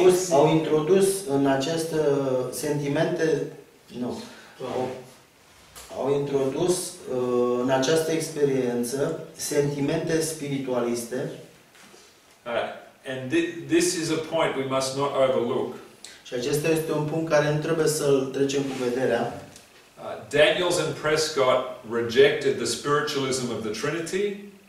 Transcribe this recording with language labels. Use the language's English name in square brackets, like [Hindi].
[Romanian] Au introdus în această sentimente. Nu. Au introdus în această experiență sentimente spiritualiste. [English] And this is a point we must not overlook. [Romanian] Și acesta este un punct care nu trebuie să-l trecem cu vederea. [English] Daniels and Prescott rejected the spiritualism of the Trinity.